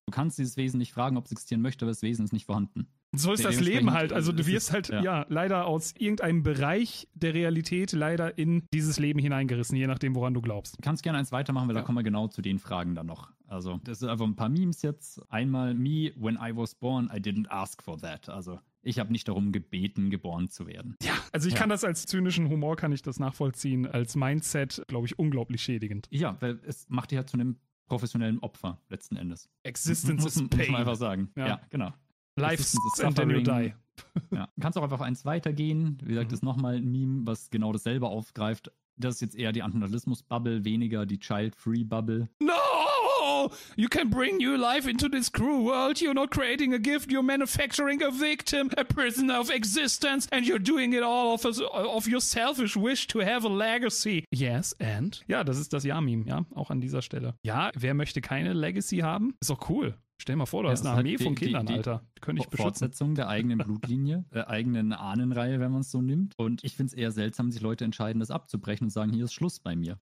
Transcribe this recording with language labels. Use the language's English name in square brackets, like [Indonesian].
[German] Du kannst dieses Wesen nicht fragen, ob es existieren möchte, aber das Wesen ist nicht vorhanden. So ist das Leben halt. Also du wirst halt leider aus irgendeinem Bereich der Realität leider in dieses Leben hineingerissen, je nachdem, woran du glaubst. Du kannst gerne eins weitermachen, weil da kommen wir genau zu den Fragen dann noch. Also das sind einfach ein paar Memes jetzt. [English] Einmal, me, when I was born, I didn't ask for that. [German] Also ich habe nicht darum gebeten, geboren zu werden. Ja, also ich kann das als zynischen Humor, kann ich das nachvollziehen, als Mindset, glaube ich, unglaublich schädigend. Ja, weil es macht dich ja zu einem professionellen Opfer letzten Endes. [English] Existence is pain. [German] Muss man einfach sagen. Ja, genau. [English] Life sucks and then you die. [German] Ja. Du kannst auch einfach eins weitergehen. Wie gesagt, ist nochmal ein Meme, was genau dasselbe aufgreift. Das ist jetzt eher die Antinatalismus-Bubble, weniger die Child-Free-Bubble. [English] No! You can bring new life into this cruel world. You're not creating a gift. You're manufacturing a victim, a prisoner of existence. And you're doing it all of your selfish wish to have a legacy. Yes, and? [German] Ja, das ist das Ja-Meme, ja, auch an dieser Stelle. Ja, wer möchte keine Legacy haben? Ist doch cool. Stell dir mal vor, du hast eine Armee von Kindern, Alter. Könnte ich beschützen. Fortsetzung der eigenen Blutlinie, der eigenen Ahnenreihe, wenn man es so nimmt. Und ich finde es eher seltsam, sich Leute entscheiden, das abzubrechen und sagen, hier ist Schluss bei mir.